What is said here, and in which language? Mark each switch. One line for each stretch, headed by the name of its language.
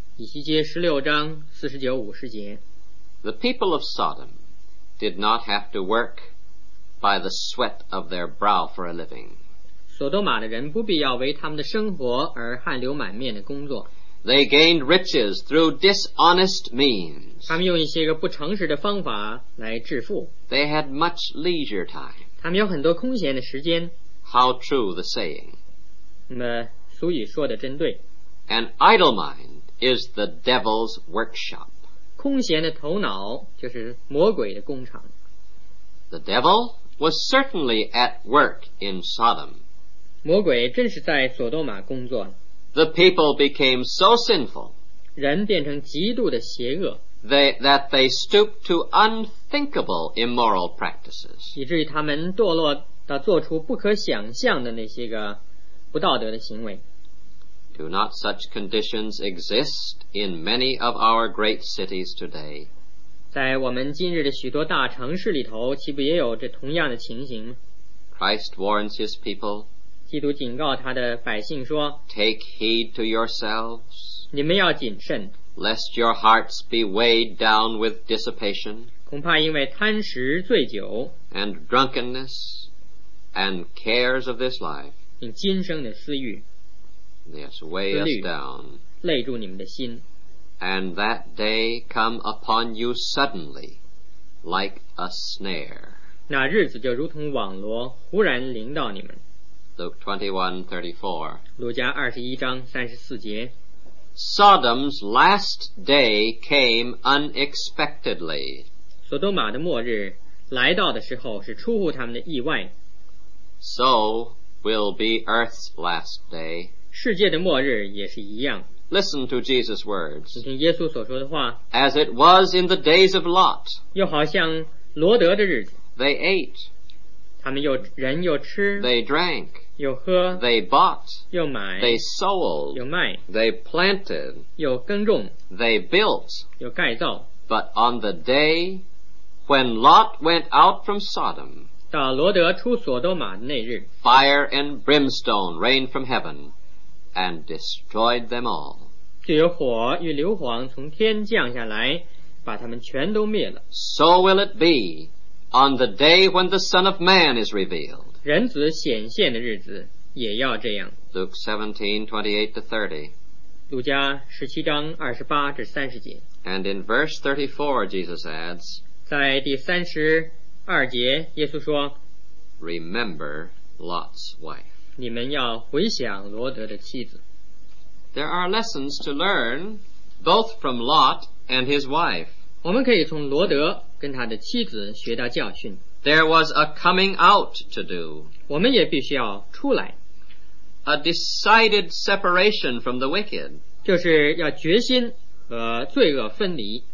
Chinese: 以西结十六章四十九五十节。
English: The people of Sodom did not have to work by the sweat of their brow for a living.
Chinese: 索多玛的人不必要为他们的生活而汗流满面的工作。
English: They gained riches through dishonest means.
Chinese: 他们用一些个不诚实的方法来致富。
English: They had much leisure time.
Chinese: 他们有很多空闲的时间。
English: How true the saying.
Chinese: 那么俗语说的真对。
English: An idle mind is the devil's workshop.
Chinese: 空闲的头脑就是魔鬼的工厂。
English: The devil was certainly at work in Sodom.
Chinese: 魔鬼真是在索多玛工作。
English: The people became so sinful.
Chinese: 人变成极度的邪恶。
English: That they stooped to unthinkable immoral practices.
Chinese: 以至于他们堕落到做出不可想象的那些个不道德的行为。
English: Do not such conditions exist in many of our great cities today?
Chinese: 在我们今日的许多大城市里头，岂不也有这同样的情形？
English: Christ warns his people,
Chinese: 基督警告他的百姓说，
English: Take heed to yourselves,
Chinese: 你们要谨慎，
English: lest your hearts be weighed down with dissipation,
Chinese: 恐怕因为贪食醉酒,
English: and drunkenness, and cares of this life,
Chinese: 并今生的私欲,
English: yes, weigh us down,
Chinese: 累住你们的心,
English: and that day come upon you suddenly, like a snare.
Chinese: 那日子就如同网罗忽然临到你们。
English: Luke 21:34. Sodom's last day came unexpectedly.
Chinese: 索多玛的末日来到的时候是出乎他们的意外。
English: So will be Earth's last day.
Chinese: 世界的末日也是一样。
English: Listen to Jesus' words.
Chinese: 你听耶稣所说的话。
English: As it was in the days of Lot.
Chinese: 又好像罗德的日子。
English: They ate.
Chinese: 他们又人又吃。
English: They drank.
Chinese: 又喝,
English: they bought,
Chinese: 又买,
English: they sold,
Chinese: 又卖,
English: they planted,
Chinese: 又耕种,
English: they built,
Chinese: 又盖造,
English: but on the day when Lot went out from Sodom,
Chinese: 到罗德出索多玛那日,
English: fire and brimstone rained from heaven and destroyed them all.
Chinese: 就有火与硫磺从天降下来, 把他们全都灭了。
English: So will it be on the day when the Son of Man is revealed.
Chinese: 人子显现的日子也要这样。
English: Luke 17:28-30.
Chinese: 路加17:28-30.
English: And in verse 34, Jesus adds,
Chinese: 在第三十二节耶稣说，
English: Remember Lot's wife.
Chinese: 你们要回想罗德的妻子。
English: There are lessons to learn both from Lot and his wife.
Chinese: 我们可以从罗德跟他的妻子学到教训。
English: There was a coming out to do.
Chinese: 我们也必须要出来。
English: A decided separation from the wicked.
Chinese: 就是要决心和罪恶分离。